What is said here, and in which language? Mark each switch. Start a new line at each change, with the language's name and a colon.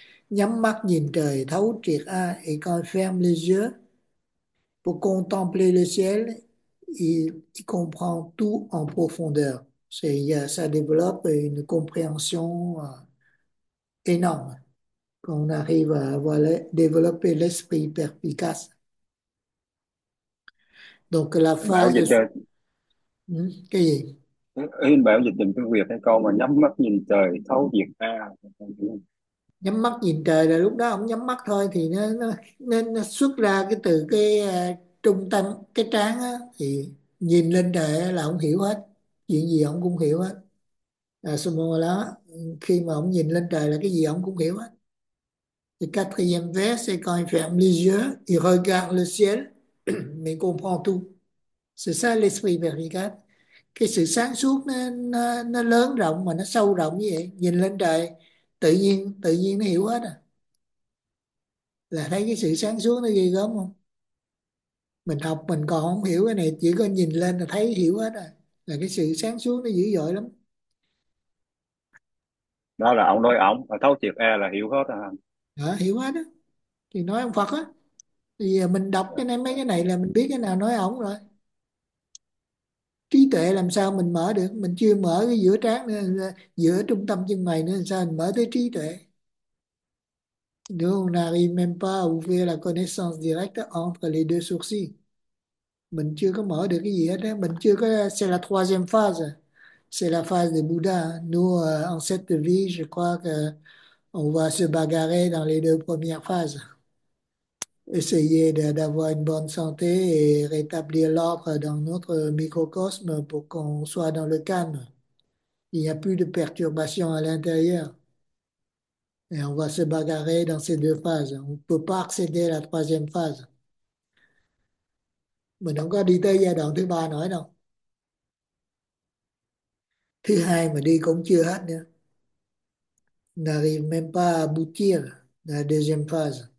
Vietnamese: Nhắm mắt nhìn trời thấu triệt a,
French: et quand il ferme les yeux pour contempler le ciel, il comprend tout en profondeur. Ça développe une compréhension énorme quand on arrive à développer l'esprit perspicace. Donc la phase de.
Vietnamese: Bảo dịch trình bảo dịch trình cái việc hay con mà nhắm mắt nhìn trời thấu diệt ta Nhắm mắt nhìn trời là lúc đó ông nhắm mắt thôi thì nó xuất ra cái từ cái trung tâm cái trán á, thì nhìn lên trời là ông hiểu hết, chuyện gì ông cũng hiểu hết. À, đó khi mà ông nhìn lên trời là cái gì ông cũng hiểu hết.
French: Thì quatrième vers c'est quand il ferme les yeux, il regarde le ciel mais comprend tout. C'est ça l'esprit vertical.
Vietnamese: Cái sự sáng suốt nó lớn rộng mà nó sâu rộng như vậy, nhìn lên trời tự nhiên nó hiểu hết à. Là thấy cái sự sáng suốt nó ghê gớm không? Mình học mình còn không hiểu cái này, chỉ có nhìn lên là thấy hiểu hết à. Là cái sự sáng suốt nó dữ dội lắm. đó là ông nói ổng và thấu triệt e là hiểu hết à anh. Đó, hiểu hết á. Thì nói ông Phật á. Thì giờ mình đọc cái này mấy cái này là mình biết cái nào nói ổng rồi. Trí tuệ làm sao mình mở được, mình chưa mở cái giữa trán nữa, giữa trung tâm chân mày nữa, làm sao mình mở tới trí tuệ.
French: Nous n'arrivons même pas à ouvrir la connaissance directe entre les deux sourcils.
Vietnamese: Mình chưa có mở được cái gì hết đó. Mình chưa có,
French: c'est la troisième phase, c'est la phase de Bouddha. Nous, en cette vie, je crois que on va se bagarrer dans les deux premières phases. Essayer d'avoir une bonne santé et rétablir l'ordre dans notre microcosme pour qu'on soit dans le calme. Il n'y a plus de perturbations à l'intérieur. Et on va se bagarrer dans ces deux phases. On ne peut pas accéder à la troisième phase.
Vietnamese: Mình không có đi tới giai đoạn thứ ba nữa đâu. Thứ hai mà đi cũng chưa hết nữa.
French: N'arrive même pas à aboutir la deuxième phase.